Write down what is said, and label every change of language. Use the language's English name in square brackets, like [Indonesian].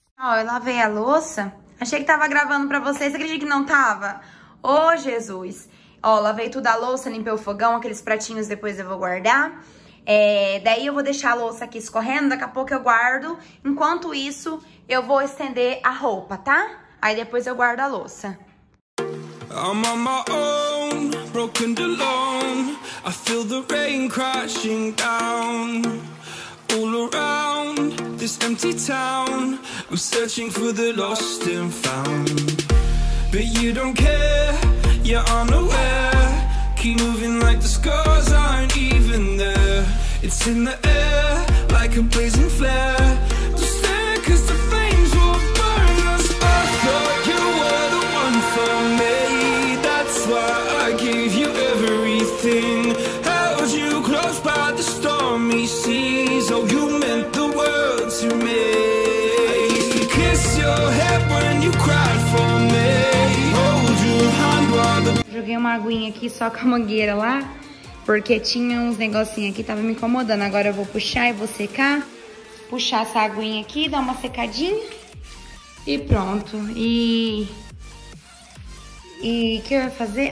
[Portuguese] Ó, eu lavei a louça, achei que tava gravando pra vocês, você acredita que não tava? Ô, Jesus! Ó, lavei tudo a louça, limpei o fogão, aqueles pratinhos depois eu vou guardar. Daí eu vou deixar a louça aqui escorrendo, daqui a pouco eu guardo. Enquanto isso, eu vou estender a roupa, tá? Aí depois eu guardo a louça. [English] I'm on my own, broken alone. I feel the rain crashing down. All around this empty town. I'm searching for the lost and found. But you don't care, you're unaware. Keep moving like the scars aren't even there. It's in the air, like a blazing flare. Just stare, cause the flames will burn us. I thought you were the one for me. That's why I gave you everything. Held you close by the stormy seas. Oh, you meant the world to me. I used to kiss your head when you cried for me. Hold your hand while the... [Portuguese] Joguei uma aguinha aqui só com a mangueira lá, porque tinha uns negocinhos aqui, tava me incomodando. Agora eu vou puxar e vou secar. puxar essa aguinha aqui, dar uma secadinha e pronto. E o que eu ia fazer?